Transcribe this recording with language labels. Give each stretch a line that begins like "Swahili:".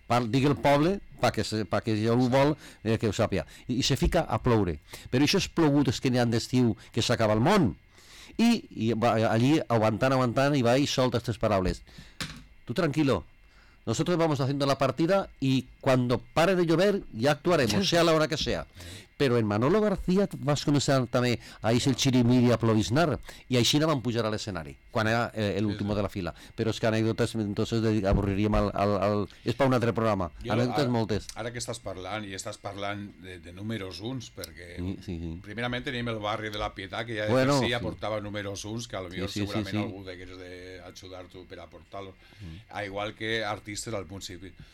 Catalan: Digue el poble perquè jo ho vol que ho sàpia. I se fica a ploure. Però això és plogut, és que n'hi ha d'estiu que s'acaba el món. I allí aguantant i va i solta aquestes paraules:
Spanish: tu tranquilo, nosotros vamos haciendo la partida y cuando pare de llover ya actuaremos, sea la hora que sea.
Catalan: Però en Manolo García vas començar també a eixir el xirimiri a plovisnar, i així no van pujar a l'escenari quan era l'últim de la fila. Però és que anècdotes, entonces avorriríem al... És per un altre programa. Anècdotes moltes. Ara que estàs parlant, i estàs parlant de números uns, perquè primerament tenim el barri de la Pietà, que ja de per si aportava números uns, que potser segurament algú hagués d'ajudar-te per aportar-lo, igual que artistes al principi.